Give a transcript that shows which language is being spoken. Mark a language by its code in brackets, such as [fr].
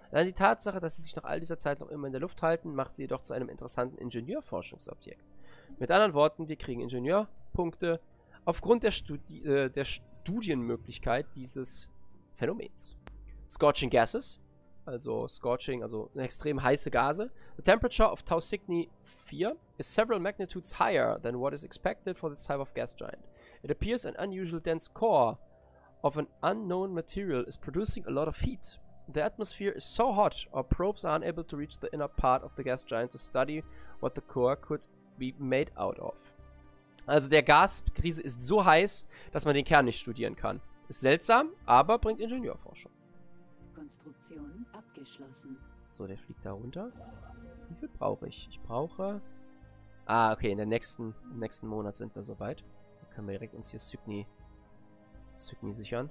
[de] Allein die Tatsache, dass sie sich nach all dieser Zeit noch immer in der Luft halten, macht sie jedoch zu einem interessanten Ingenieurforschungsobjekt. Mit anderen Worten, wir kriegen Ingenieurpunkte aufgrund der Studienmöglichkeit dieses Phänomens. [en] Scorching Gases, [de] also extrem heiße Gase. [en] The temperature of Tau Cygni 4 is several magnitudes higher than what is expected for this type of gas giant. It appears an unusual dense core of an unknown material is producing a lot of heat. The atmosphere is so hot, our probes are unable to reach the inner part of the gas giant to study what the core could be made out of. [de] Also der Gaskrise ist so heiß, dass man den Kern nicht studieren kann. Ist seltsam, aber bringt Ingenieurforschung. Rekonstruktion abgeschlossen. So, der fliegt da runter. Wie viel brauche ich? Ich brauche... Ah, okay, in der nächsten, im nächsten Monat sind wir soweit. Dann können wir direkt uns hier Cygni sichern.